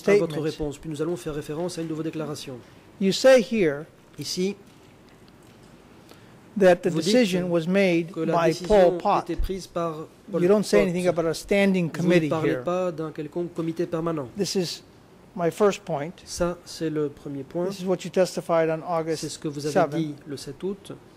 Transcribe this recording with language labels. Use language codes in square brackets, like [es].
[fr] à votre réponse, puis nous allons faire référence à une de vos déclarations. [en] You say here ici that the decision was made by Pol Pot. You don't say anything about a standing committee here. [fr] Vous ne parlez pas d'un quelconque comité permanent. [en] This is my first point. [fr] Ça, c'est le premier point. [en] This is what you testified on August 7. [fr] C'est ce que vous avez dit le 7 août.